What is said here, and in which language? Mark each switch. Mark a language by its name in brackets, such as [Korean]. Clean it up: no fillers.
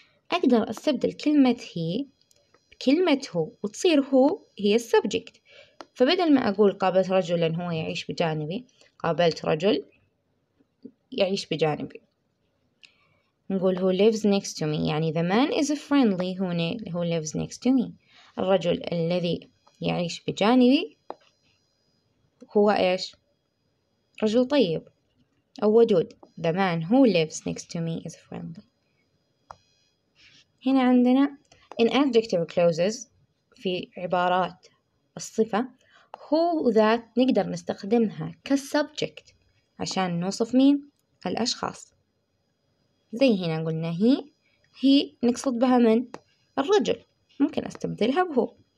[Arabic] أقدر أستبدل كلمة he بكلمة هو وتصير هو هي السبجكت، فبدل ما أقول قابلت رجلا هو يعيش بجانبي، قابلت رجل يعيش بجانبي. نقول [English] who lives next to me، [Arabic] يعني [English] the man is friendly who lives next to me، [Arabic] الرجل الذي يعيش بجانبي هو إيش؟ رجل طيب أو ودود. [English] The man who lives next to me is friendly. [Arabic] هنا عندنا [English] in adjective clauses [Arabic] في عبارات الصفة who that نقدر نستخدمها كسبجكت عشان نوصف مين؟ الأشخاص. زي هنا قلنا he نقصد بها من؟ الرجل، ممكن أستبدلها بهو.